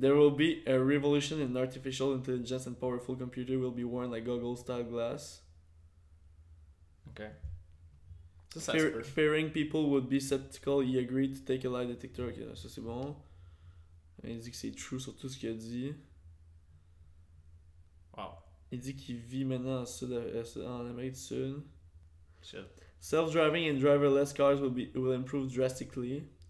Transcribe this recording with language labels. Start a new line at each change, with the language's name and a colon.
English: There will be a revolution in artificial intelligence and powerful computer will be worn like goggles style glass. Okay. Fearing people would be skeptical, he agreed to take a lie detector.
French: Okay, ça c'est bon. Il dit que c'est true sur tout ce qu'il a dit.
English: Wow.
French: Il dit qu'il vit maintenant en Amérique du Sud.
English: Shit. Self-driving and driverless cars will improve drastically.